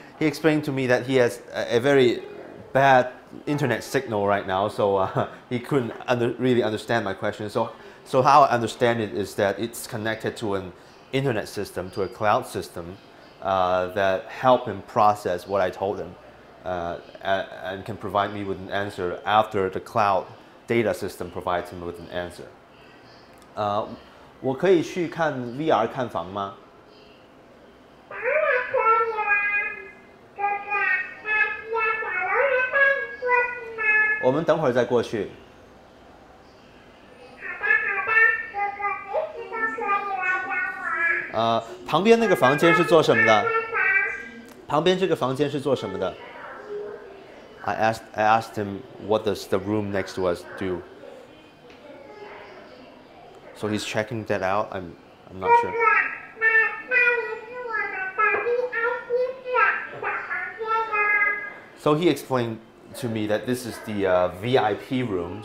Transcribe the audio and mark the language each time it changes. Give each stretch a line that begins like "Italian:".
English: He explained to me that he has a very bad internet signal right now, so he couldn't really understand my question. So how I understand it is that it's connected to an internet system, to a cloud system, that help him process what I told him, and can provide me with an answer after the cloud. Data system provides him with an answer.
Chinese: 我可以去看 VR 看房吗？当然可以啦，哥哥，那需要小龙人带你过去吗？我们等会儿再过去。好吧，哥哥随时都可以来找我。旁边那个房间是做什么的？旁边这个房间是做什么的？
English: I asked him, what does the room next to us do? So he's checking that out. I'm not sure.
Chinese: 那里是我们的 VIP 室，小房间哟。
English: So he explained to me that this is the VIP room.